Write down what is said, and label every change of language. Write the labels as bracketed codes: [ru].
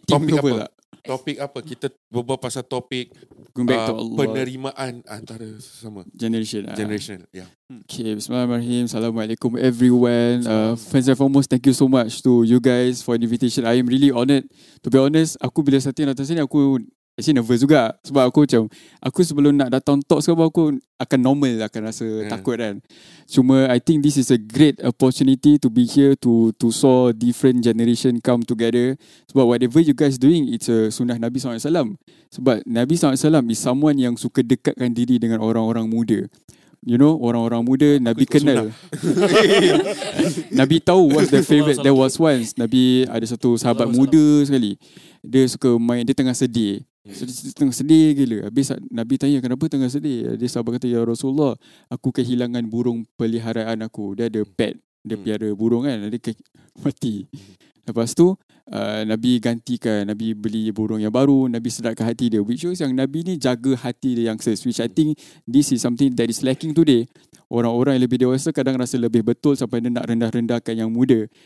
[ms] topik apa? Tak? Topik apa? Kita berbual pasal topik penerimaan antara sesama [en] generation. Generation. [ms] Okay, bismillahirrahmanirrahim. Assalamualaikum everyone. [en] First and foremost, thank you so much to you guys for the invitation. I am really honored. To be honest, [ms] aku bila setting datang sini, aku [en] actually nervous juga. [ms] Sebab aku macam, aku sebelum nak datang talk sekarang, aku akan normal, akan rasa takut kan. [en] Cuma I think this is a great opportunity to be here to saw different generation come together. Sebab whatever you guys doing, it's a sunnah Nabi SAW. [ms] Sebab Nabi SAW [en] is someone [ms] yang suka dekatkan diri dengan orang-orang muda. [en] You know, [ms] orang-orang muda, Nabi kenal. Nabi tahu [en] what's their favorite. There was once, [ms] Nabi ada satu sahabat muda sekali. Dia suka main, dia tengah sedih. Tengah sedih gila. Habis Nabi tanya, kenapa tengah sedih? Dia sahabat kata, ya Rasulullah, aku kehilangan burung peliharaan aku. Dia ada pet, dia piara burung kan. Dia mati. Lepas tu, Nabi gantikan, Nabi beli burung yang baru, Nabi sedarkan hati dia. [en] Which is [ms] yang Nabi ni jaga hati dia yang sesuai. [en] Which I think this is something that is lacking today. [ms] Orang-orang yang lebih dewasa kadang rasa lebih betul sampai dia nak rendah-rendahkan yang muda.